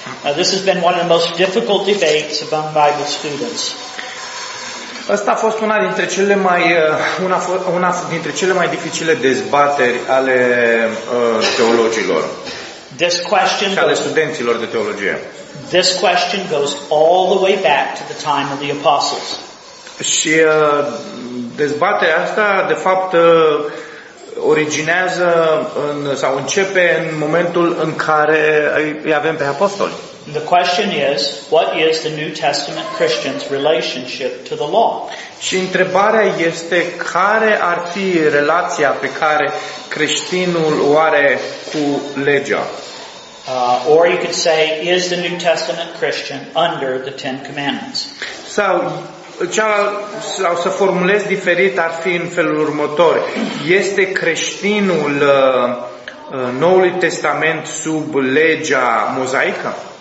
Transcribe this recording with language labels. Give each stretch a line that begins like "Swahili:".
English: Now, this has been one of the most difficult debates among Bible students.
Romanian: Asta a fost una dintre cele mai una dintre cele mai dificile dezbateri ale teologilor.
English: This question
Romanian: ale studenților de teologie.
English: This question goes all the way back to the time of the apostles.
Romanian: Și dezbaterea asta de fapt originează în, sau începe în momentul în care îi avem pe apostoli.
English: The question is, what is the New Testament Christian's relationship to the law?
Romanian: Și întrebarea este, care ar fi relația pe care creștinul o are cu legea?
English: Or you could say, is the New Testament Christian under the Ten Commandments?
Romanian: Sau, sau să formulez diferit, ar fi în felul următor. Este creștinul Noului Testament sub legea mozaică?